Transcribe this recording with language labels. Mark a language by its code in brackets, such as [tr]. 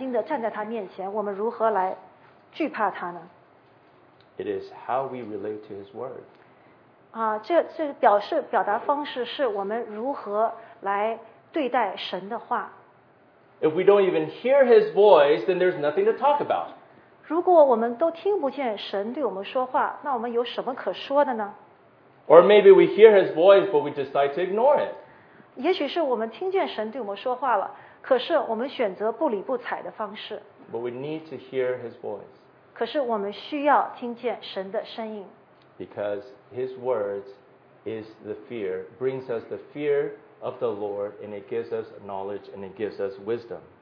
[zh] 那我们如何来敬重神？我们如何来尊重神？我们如何来恐惧战惊的站在他面前？我们如何来惧怕他呢？ [en] It is how we relate to His Word. [zh] 这表达方式是我们如何来对待神的话。 [en] If we don't even hear His voice, then there's nothing to talk about. [zh] 如果我们都听不见神对我们说话，那我们有什么可说的呢？ [en] Or maybe we hear His voice, but we decide to ignore it. [zh] 也许是我们听见神对我们说话了，可是我们选择不理不睬的方式。 [en] But we need to hear His voice. [zh] 可是我们需要听见神的声音。 [en] Because His words is the fear, brings us the fear of the Lord, and it gives us knowledge and it gives us wisdom.